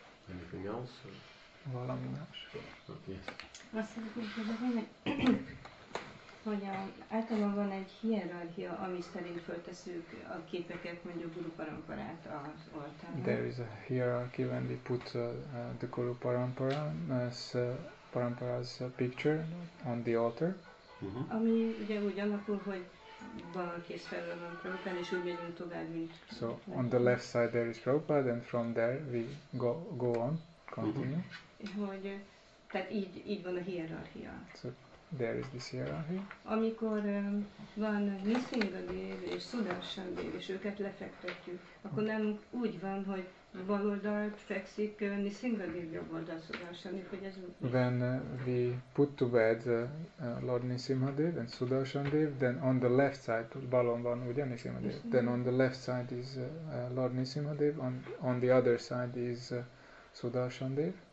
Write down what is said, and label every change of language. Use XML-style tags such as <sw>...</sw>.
<en>Anything else?</en> <hu>Valami más. Azt szeretnék, hogy általában van egy hierarchia, ami szerint föltesszük a képeket, mondjuk Guru Paramparát az oltára.</hu> <en>There is a hierarchy when we put the Guru Parampara as Paramparas picture on the altar. Uh-huh.</en> <hu>Ami ugye úgy alakul, hogy bal kéz felől van Prabhupada, és úgy megyünk tovább, mint...</hu> <en>So, on the left side there is Prabhupada, and from there we go on, continue.</en> <hu>Uh-huh. Hogy, tehát így van a hierarchia.</hu> <en>So, there is this hierarchy.</en> <hu>Amikor van Nisinga dév és Sudarshan dév, és őket lefektetjük, akkor nem úgy van, hogy bal oldalt fekszik Nisinga dév, jobb oldal Sudarshan dév, hogy ez úgy.</hu> <en>When we put to bed Lord Nisinga dév and Sudarshan dév, then on the left side,</en> <hu>balon van ugye</hu> <en>Nisinga dév, then on the left side is Lord Nisinga dév, on the other side is Sudarshan dév.</en>